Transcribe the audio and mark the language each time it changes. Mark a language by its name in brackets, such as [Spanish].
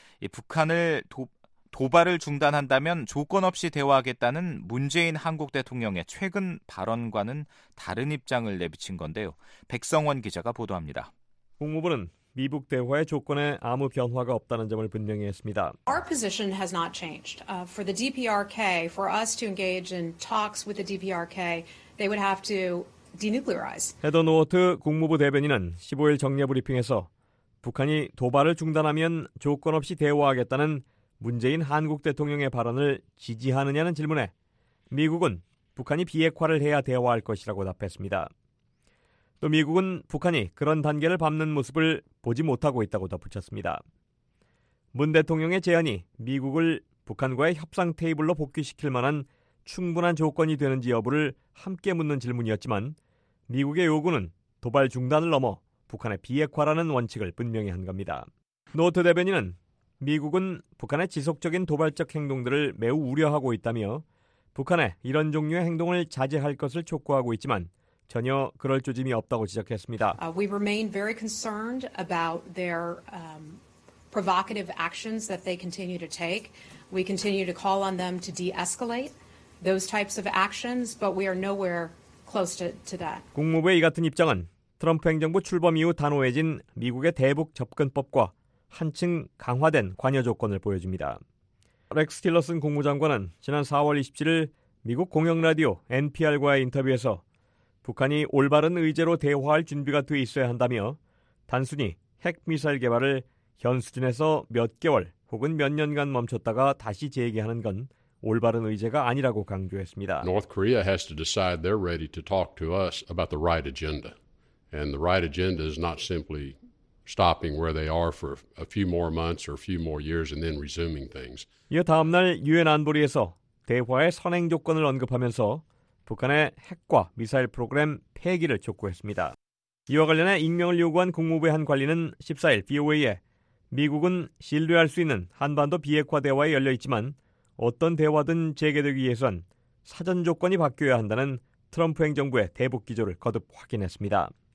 [Korean] 이 북한을 도발을 중단한다면 조건 없이 대화하겠다는 문재인 한국 대통령의 최근 발언과는 다른 입장을 내비친 건데요. 백성원 기자가 보도합니다. 국무부는 미북 대화의 조건에 아무 변화가 없다는 점을 분명히 했습니다. [English] Our position has not changed. For the DPRK, for us to engage in talks with the DPRK, they would have to denuclearize. [Korean] 헤더 노어트 국무부 대변인은 15일 정례 브리핑에서 북한이 도발을 중단하면 조건 없이 대화하겠다는 문재인 한국 대통령의 발언을 지지하느냐는 질문에 미국은 북한이 비핵화를 해야 대화할 것이라고 답했습니다. 또 미국은 북한이 그런 단계를 밟는 모습을 보지 못하고 있다고 덧붙였습니다. 문 대통령의 제안이 미국을 북한과의 협상 테이블로 복귀시킬 만한 충분한 조건이 되는지 여부를 함께 묻는 질문이었지만 미국의 요구는 도발 중단을 넘어 북한의 비핵화라는 원칙을 분명히 한 겁니다. 노트 대변인은 미국은 북한의 지속적인 도발적 행동들을 매우 우려하고 있다며 북한의 이런 종류의 행동을 자제할 것을 촉구하고 있지만 전혀 그럴 조짐이 없다고 지적했습니다. [English] We remain very concerned about their provocative actions that they continue to take. We continue to call on them to de-escalate those types of actions, but we are nowhere close to that. [Korean] 국무부의 이 같은 입장은 트럼프 행정부 출범 이후 단호해진 미국의 대북 접근법과 한층 강화된 관여 조건을 보여줍니다. 렉스 틸러슨 국무장관은 지난 4월 27일 미국 공영 라디오 NPR과의 인터뷰에서 북한이 올바른 의제로 대화할 준비가 돼 있어야 한다며 단순히 핵미사일 개발을 현 수준에서 몇 개월 혹은 몇 년간 멈췄다가 다시 재개하는 건 올바른 의제가 아니라고 강조했습니다. [English] North Korea has to decide they're ready to talk to us about the right agenda. And the right agenda is not simply stopping where they are for a few more months or a few more years and then resuming things. [Korean] 이어 다음 날 유엔 안보리에서 대화의 선행 조건을 언급하면서 북한의 핵과 미사일 프로그램 폐기를 촉구했습니다. 이와 관련해 익명을 요구한 국무부의 한 관리는 14일 BOA에 미국은 신뢰할 수 있는 한반도 비핵화 대화에 열려있지만 어떤 대화든 재개되기 위해선 사전 조건이 바뀌어야 한다는 트럼프 행정부의 대북 기조를 거듭 확인했습니다.